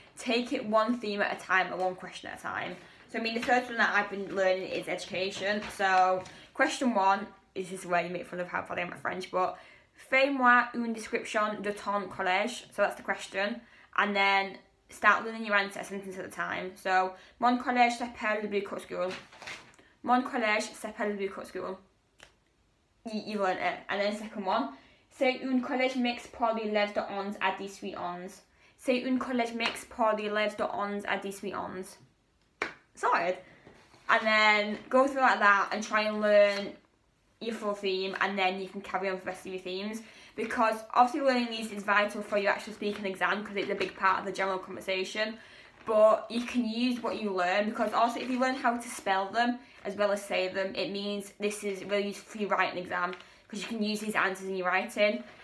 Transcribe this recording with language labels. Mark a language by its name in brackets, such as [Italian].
[English] Take it one theme at a time or one question at a time. So, I mean, the first one that I've been learning is education. So, question one, this is where you make fun of how far I am at French, but [French] fais-moi une description de ton collège. [English] So, that's the question. And then start learning your answer sentence at a time. [French] So, mon collège s'appelle le Bucot School. Mon collège s'appelle le Bucot School. [English] You've learned it. And then, second one, [French] c'est un collège mixte pour les élèves de 11 à 18 ans. C'est un collège mix pour les élèves de 11 à 18 ans. [English] Sorted. And then go through like that and try and learn your full theme and then you can carry on for the rest of your themes. Because obviously learning these is vital for your actual speaking exam because it's a big part of the general conversation. But you can use what you learn because also if you learn how to spell them as well as say them, it means this is really useful for your writing exam because you can use these answers in your writing.